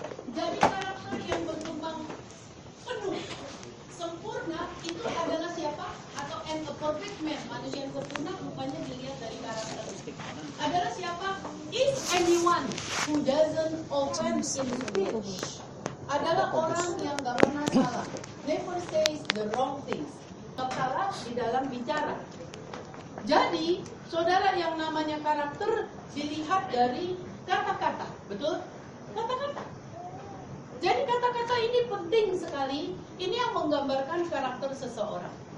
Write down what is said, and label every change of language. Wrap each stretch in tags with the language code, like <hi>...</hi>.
<id>Jadi karakter yang berkembang penuh, sempurna, itu adalah siapa? Atau</id> <en>and the perfect man,</en> <id>manusia yang sempurna rupanya dilihat dari karakter. Adalah siapa?</id> <en>If anyone who doesn't open in speech,</en> <id>adalah orang yang gak pernah salah.</id> <en>Never says the wrong things.</en> <id>Tepatlah di dalam bicara. Jadi, saudara, yang namanya karakter dilihat dari kata-kata, betul? Kata-kata. Jadi kata-kata ini penting sekali. Ini yang menggambarkan karakter seseorang.</id>